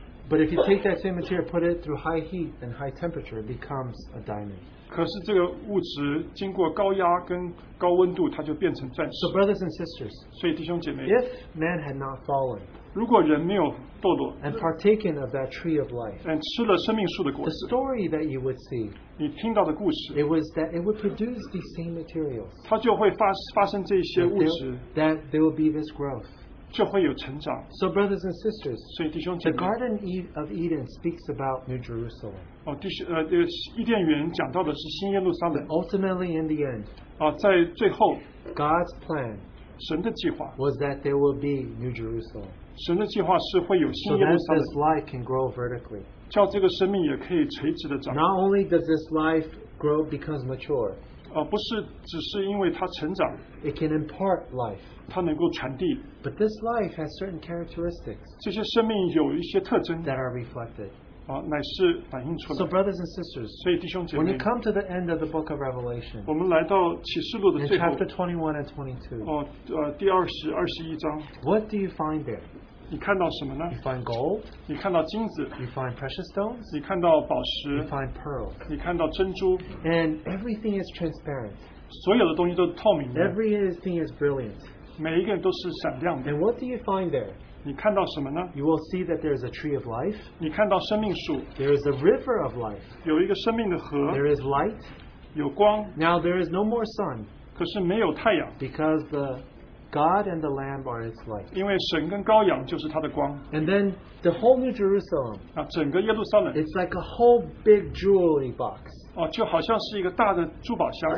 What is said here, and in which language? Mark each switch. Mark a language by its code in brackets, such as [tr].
[en] But if you take that same material, put it through high heat and high temperature, it becomes a diamond. [zh] 可是这个物质经过高压跟高温度，它就变成钻石。 [en] So brothers and sisters, [zh] 所以弟兄姐妹, [en] if man had not fallen, [zh] 如果人没有堕落, [en] and partaken of that tree of life, [zh] and 吃了生命树的果子, [en] the story that you would see, [zh] 你听到的故事, [en] it was that it would produce these same materials, [zh] 它就会发生这些物质, [en] that there will be this growth. [zh] 就会有成长。 [en] So brothers and sisters, [zh] 所以弟兄姐妹, [en] the Garden of Eden speaks about New Jerusalem. [zh] 伊甸园讲到的是新耶路撒冷。 [en] Ultimately in the end, [zh] 在最后, [en] God's plan, [zh] 神的计划, [en] was that there will be New Jerusalem. [zh] 神的计划是会有新耶路撒冷。 [en] So that this life can grow vertically. [zh] 叫这个生命也可以垂直的长。 [en] Not only does this life grow becomes mature, [zh] 不是只是因为它成长。 [en] It can impart life. [zh] 它能够传递。 [en] But this life has certain characteristics, [zh] 这些生命有一些特征。 [en] That are reflected, [zh] 乃是反映出来。 [en] So brothers and sisters, [zh] 所以弟兄姐妹, [en] when you come to the end of the book of Revelation, [zh] 我们来到启示录的最后, [en] in chapter 21 and 22, [zh] 第二十、二十一章, [en] what do you find there? [zh] 你看到什么呢? [en] You find gold, [zh] 你看到金子, [en] you find precious stones, [zh] 你看到宝石, [en] you find pearls, [zh] 你看到珍珠, [en] and everything is transparent, [zh] 所有的东西都是透明的, [en] everything is brilliant, [zh] 每一个人都是闪亮的。 [en] And what do you find there? [zh] 你看到什么呢? [en] You will see that there is a tree of life. [zh] 你看到生命树。 [en] There is a river of life. [zh] 有一个生命的河。 [en] There is light. [zh] 有光。 [en] Now there is no more sun. [zh] 可是没有太阳。 [en] Because the God and the Lamb are its light. [zh] 因为神跟羔羊就是他的光。 [en] And then the whole New Jerusalem. [zh] 整个耶路撒冷。 [en] It's like a whole big jewelry box. [zh] 就好像是一个大的珠宝箱。